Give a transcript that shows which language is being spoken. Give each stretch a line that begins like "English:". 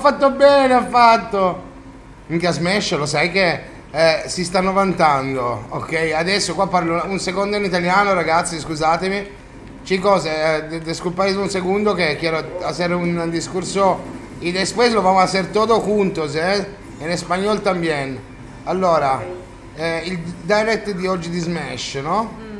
Italian: Bene, ha fatto. Mica smesso, lo sai che si stanno vantando. Ok, adesso qua parlo un secondo in italiano, ragazzi, scusatemi.
Spanish: Chicos, disculpate
Italian: un secondo
Spanish: che quiero hacer un discurso y después lo vamos a hacer todo juntos, en español también.
Italian: Allora, il direct di oggi di Smash, no?